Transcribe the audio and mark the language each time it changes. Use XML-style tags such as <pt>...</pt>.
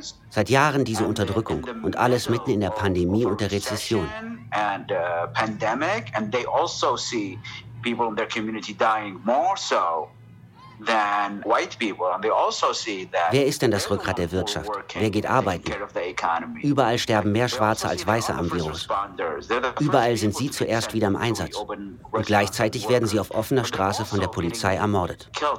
<de>Seit Jahren diese Unterdrückung und alles mitten in der Pandemie und der Rezession.</de> <en>And they also see people in their community dying more so than white people. And they also see that.</en> <de>Wer ist denn das Rückgrat der Wirtschaft? Wer geht arbeiten? Überall sterben mehr Schwarze als Weiße am Virus. Überall sind sie zuerst wieder im Einsatz. Und gleichzeitig werden sie auf offener Straße von der Polizei ermordet.</de>